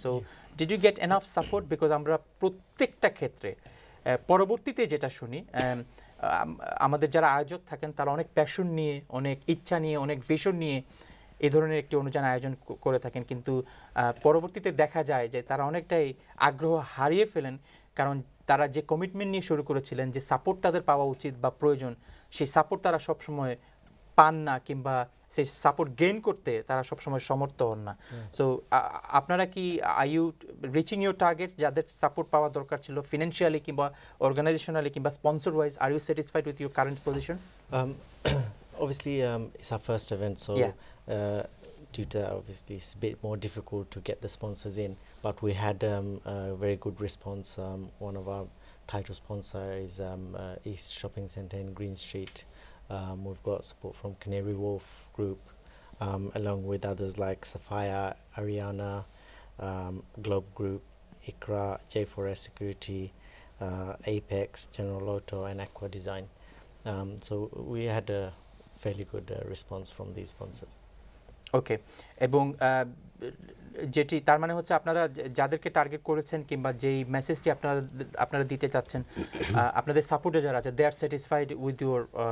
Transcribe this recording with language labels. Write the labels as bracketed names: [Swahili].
[English] So did you get enough support? [Bangla] Because আমরা প্রত্যেকটা ক্ষেত্রে পরবর্তীতে যেটা শুনি, আমাদের যারা আয়োজক থাকেন তারা অনেক প্যাশন নিয়ে, অনেক ইচ্ছা নিয়ে, অনেক ভিশন নিয়ে এই ধরনের একটি অনুষ্ঠান আয়োজন করে থাকেন, কিন্তু পরবর্তীতে দেখা যায় যে তারা অনেকটাই আগ্রহ হারিয়ে ফেলেন, কারণ তারা যে কমিটমেন্ট নিয়ে শুরু করেছিলেন যে সাপোর্ট তাদের পাওয়া উচিত বা প্রয়োজন, সেই সাপোর্ট তারা সবসময় পান না, কিংবা সেই সাপোর্ট গেইন করতে তারা সবসময় সমর্থ হন না। সো আপনারা কি [English] are you reaching your targets, [Bangla] যাদের সাপোর্ট পাওয়া দরকার ছিল ফিনান্সিয়ালি কিংবা অর্গানাইজেশনালি কিংবা sponsor wise, [English] Are you satisfied with your current position? Obviously, it's our first event, so yeah. Due to obviously it's a bit more difficult to get the sponsors in, but we had a very good response. One of our title sponsors is East Shopping Center in Green Street. We've got support from Canary Wharf Group, along with others like Sapphire, Ariana, Globe Group, ICRA, J4S Security, Apex, General Auto and Aqua Design. So we had a fairly good response from these sponsors. Okay. [Bangla] এবং যেটি তার মানে হচ্ছে আপনারা যাদেরকে target করেছেন কিংবা যেই মেসেজটি আপনারা আপনারা দিতে চাচ্ছেন আপনাদের সাপোর্টে যারা আছে, [English] they are satisfied with your